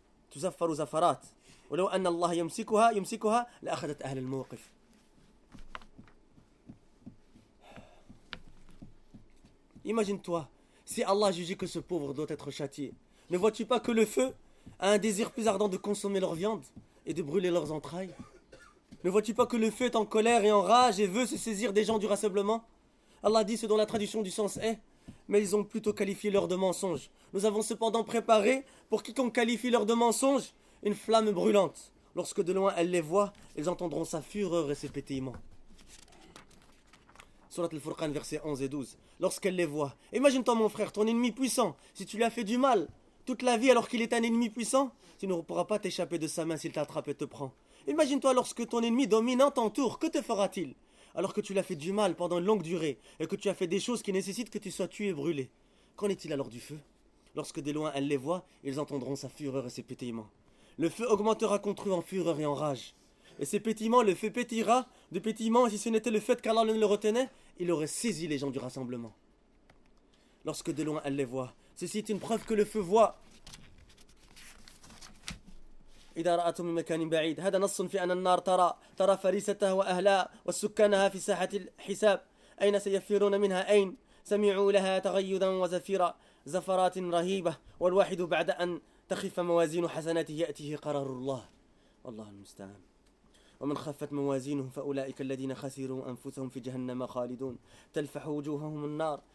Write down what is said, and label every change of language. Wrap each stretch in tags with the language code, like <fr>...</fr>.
<ar>تزفر زفرات ولو أن الله يمسكها لأخذت أهل الموقف</ar> <fr>Imagine-toi, si Allah jugeait que ce pauvre doit être châtié, ne vois-tu pas que le feu a un désir plus ardent de consommer leur viande et de brûler leurs entrailles? Ne vois-tu pas que le feu est en colère et en rage et veut se saisir des gens du rassemblement? Allah dit ce dont la traduction du sens est, mais ils ont plutôt qualifié l'heure de mensonge. Nous avons cependant préparé, pour quiconque qualifie l'heure de mensonge, une flamme brûlante. Lorsque de loin elle les voit, ils entendront sa fureur et ses pétillements. Surat al-Furqan, versets 11 et 12. Lorsqu'elle les voit, imagine-toi mon frère, ton ennemi puissant, si tu lui as fait du mal toute la vie alors qu'il est un ennemi puissant, tu ne pourras pas t'échapper de sa main s'il t'attrape et te prend. Imagine-toi lorsque ton ennemi dominant t'entoure, que te fera-t-il? Alors que tu lui as fait du mal pendant une longue durée et que tu as fait des choses qui nécessitent que tu sois tué et brûlé. Qu'en est-il alors du feu? Lorsque de loin elle les voit, ils entendront sa fureur et ses pétillements. Le feu augmentera contre eux en fureur et en rage. Et ses pétillements, le feu pétillera de pétillements, si ce n'était le fait qu'Allah ne le retenait, il aurait saisi les gens du rassemblement. Lorsque de loin elle les voit, ceci est une preuve que le feu voit.</fr> <ar>إذا رأتهم من مكان بعيد هذا نص في أن النار ترى فريستها وأهلها والسكانها في ساحة الحساب أين سيفرون منها أين سمعوا لها تغيدا وزفيرا زفرات رهيبة والواحد بعد أن تخف موازين حسناته يأتيه قرار الله والله المستعان ومن خفت موازينهم فأولئك الذين خسروا أنفسهم في جهنم خالدون تلفح وجوههم النار</ar>